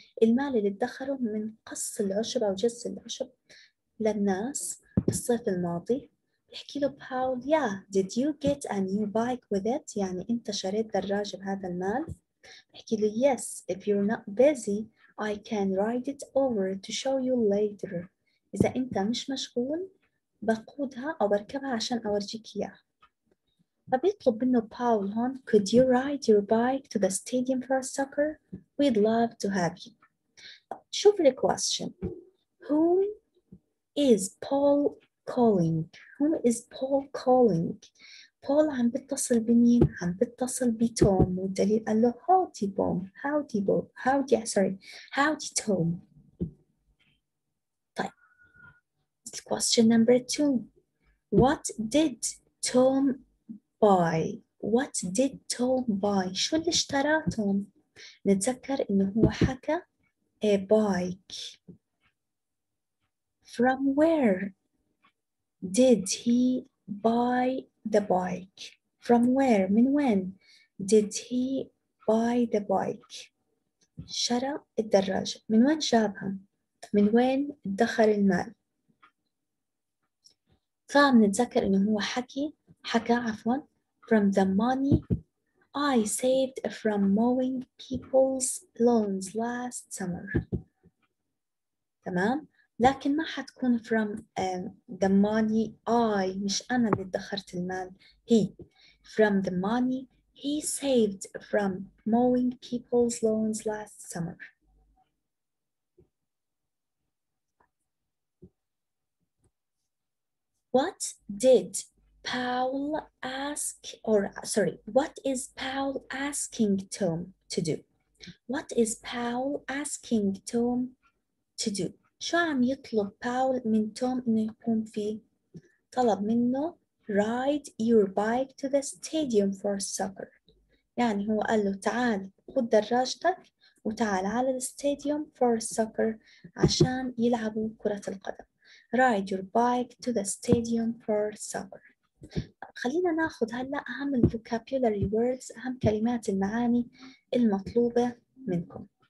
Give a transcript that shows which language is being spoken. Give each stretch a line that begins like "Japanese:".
Arabic: المال اللي ادخره من قص العشب أو جز العشب للناس في الصيف الماضي. بحكي له باول يا
English: did you get a new bike with it؟
Arabic: يعني انت شريت دراجة بهذا المال؟ بحكي له
English: yes if you're not busy I can ride it over to show you later.
Arabic: إذا انت مش مشغول بقودها أو بركبها عشان أورجيك إياها. فبيطلب منه باول هون
English: could you ride your bike to the stadium for soccer؟ We'd love to have you.
Arabic: شوف
English: the question. Whom is Paul calling? Whom is Paul calling?
Arabic: Paul عم بتصل بمين؟ عم بتصل بتوم. والدليل قال له
English: howdy Tom. Howdy Bob. Howdy, sorry. Howdy Tom.
Arabic: طيب.
English: Question number two. What did Tom buy? What did Tom buy?
Arabic: شو اللي اشترى توم؟ نتذكر إنه هو حكى
English: a bike. From where did he buy the bike? From where?
Arabic: من وين
English: did he buy the bike?
Arabic: شرى الدراجة. من وين شابها؟ من وين ادخر المال؟ فعم نتذكر إنه هو حكى
English: from the money I saved from mowing people's lawns last summer.
Arabic: تمام؟ لكن ما حتكون
English: from the money I،
Arabic: مش أنا اللي ادخرت المال،
English: he. From the money he saved from mowing people's lawns last summer. What did Paul ask, or sorry, what is Paul asking Tom to do? What is Paul asking Tom to do?
Arabic: شو عم يطلب Paul من Tom إنه يقوم فيه؟ طلب منه
English: ride your bike to the stadium for soccer.
Arabic: يعني هو قال له تعال خد دراجتك وتعال على
English: the stadium for soccer
Arabic: عشان يلعبوا كرة القدم.
English: Ride your bike to the stadium for soccer.
Arabic: خلينا ناخذ هلا اهم
English: الفوكابيولري ووردز،
Arabic: اهم كلمات المعاني المطلوبه منكم.